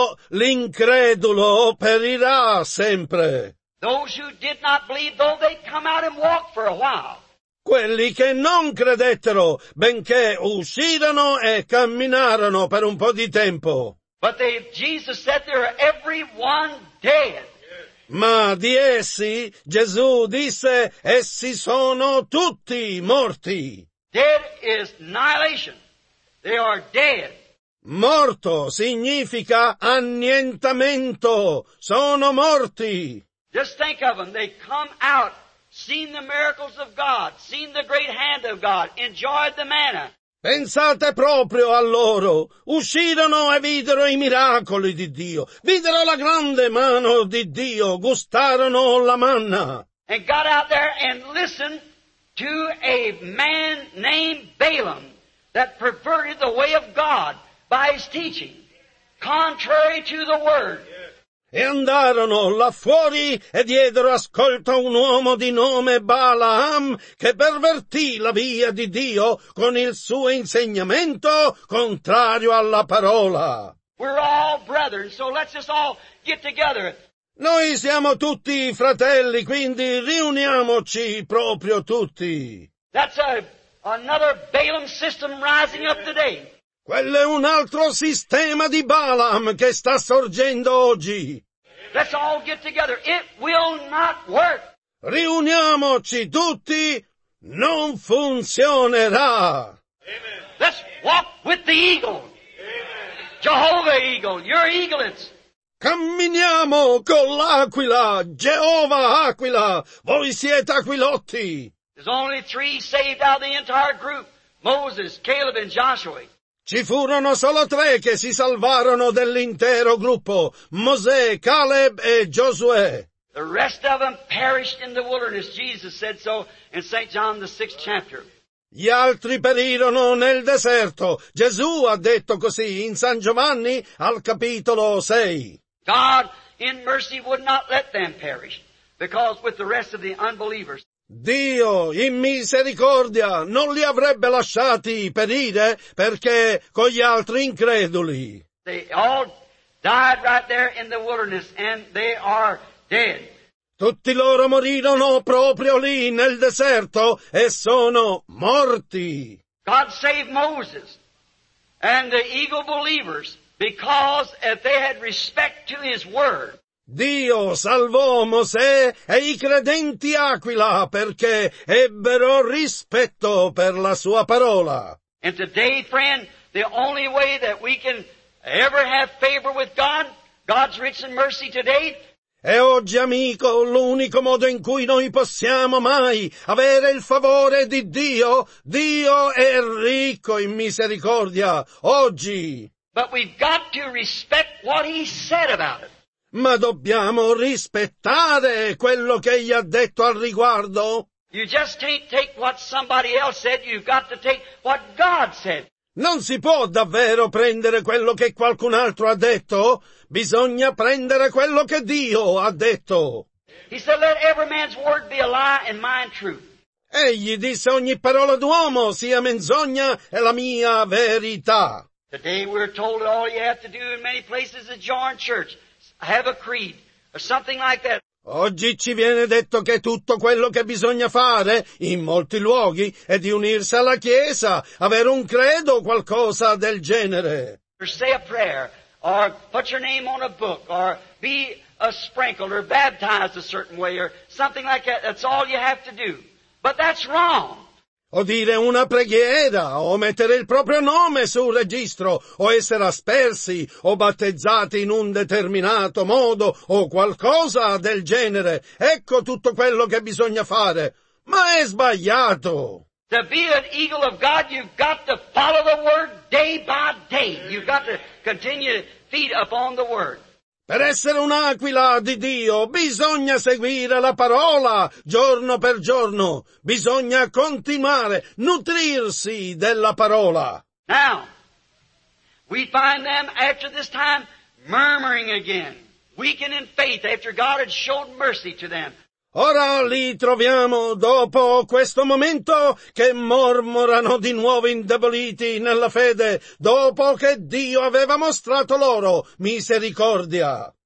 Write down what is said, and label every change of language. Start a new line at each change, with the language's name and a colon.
Italian: L'incredulo perirà sempre.
English: Those who did not believe, though they come out and walk for a while.
Italian: Quelli che non credettero, benché uscirono e camminarono per un po' di tempo.
English: But Jesus said there are everyone dead.
Italian: Ma di essi, Gesù disse, essi sono tutti morti.
English: Dead is annihilation. They are dead.
Italian: Morto significa annientamento. Sono morti.
English: Just think of them. They come out, seen the miracles of God, seen the great hand of God, enjoyed the manna.
Italian: Pensate proprio a loro. Uscirono e videro i miracoli di Dio. Videro la grande mano di Dio. Gustarono la manna.
English: And got out there and listened to a man named Balaam that perverted the way of God by his teaching, contrary to the word.
Italian: E andarono là fuori e diedero ascolto a un uomo di nome Balaam che pervertì la via di Dio con il suo insegnamento contrario alla parola.
English: We're all brethren, so let's just all get together.
Italian: Noi siamo tutti fratelli, quindi riuniamoci proprio tutti.
English: That's another Balaam system rising up today.
Italian: Quello è un altro sistema di Balaam che sta sorgendo oggi.
English: Let's all get together. It will not work.
Italian: Riuniamoci tutti. Non funzionerà.
English: Amen. Let's walk with the eagle. Amen. Jehovah eagle, your eaglets.
Italian: Camminiamo con l'aquila, Jehovah aquila. Voi siete aquilotti.
English: There's only three saved out of the entire group. Moses, Caleb and Joshua.
Italian: Ci furono solo tre che si salvarono dell'intero gruppo, Mosè, Caleb e Giosuè.
English: The rest of them perished in the wilderness, Jesus said so in St. John the 6th chapter.
Italian: Gli altri perirono nel deserto, Gesù ha detto così in San Giovanni al capitolo 6.
English: God in mercy would not let them perish, because with the rest of the unbelievers,
Italian: Dio, in misericordia, non li avrebbe lasciati perire perché con gli altri increduli.
English: They all died right there in the wilderness and they are dead.
Italian: Tutti loro morirono proprio lì nel deserto e sono morti.
English: God saved Moses and the eagle believers because if they had respect to his word,
Italian: Dio salvò Mosè e i credenti aquila perché ebbero rispetto per la sua parola.
English: And today, friend, the only way that we can ever have favor with God, God's rich in mercy today.
Italian: E oggi, amico, l'unico modo in cui noi possiamo mai avere il favore di Dio, Dio è ricco in misericordia, oggi.
English: But we've got to respect what he said about it.
Italian: Ma dobbiamo rispettare quello che gli ha detto al riguardo.
English: You just can't take what somebody else said, you've got to take what God said.
Italian: Non si può davvero prendere quello che qualcun altro ha detto, bisogna prendere quello che Dio ha detto.
English: He said, let every man's word be a lie and mine truth.
Italian: Egli disse, ogni parola d'uomo sia menzogna e la mia verità.
English: Today we're told all you have to do in many places is join church. I have a creed, or something like that.
Italian: Oggi ci viene detto che tutto quello che bisogna fare in molti luoghi è di unirsi alla Chiesa, avere un credo o qualcosa del genere.
English: Or say a prayer, or put your name on a book, or be a sprinkled, or baptized a certain way, or something like that. That's all you have to do. But that's wrong.
Italian: O dire una preghiera, o mettere il proprio nome sul registro, o essere aspersi, o battezzati in un determinato modo, o qualcosa del genere. Ecco tutto quello che bisogna fare. Ma è sbagliato!
English: To be an eagle of God, you've got to follow the word day by day. You've got to continue to feed upon the word.
Italian: Per essere un'aquila di Dio bisogna seguire la parola giorno per giorno. Bisogna continuare, nutrirsi della parola.
English: Now, we find them after this time murmuring again, weakened in faith after God had showed mercy to them.
Italian: Ora li troviamo dopo questo momento che mormorano di nuovo indeboliti nella fede dopo che Dio aveva mostrato loro misericordia.